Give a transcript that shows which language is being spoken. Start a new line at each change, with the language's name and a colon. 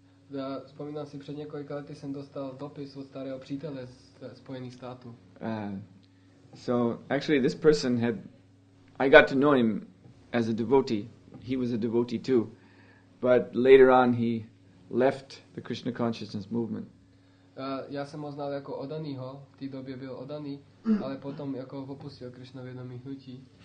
Czech: Já vzpomínám si, před několika lety jsem dostal dopis od starého přítele ze Spojených států.
English: So actually this person had, I got to know him as a devotee. He was a devotee too. But later on he left the Krishna consciousness movement.
Czech: Já jsem ho znal jako odanýho, v té době byl odaný, ale potom jako opustil Krishna vědomí hnutí.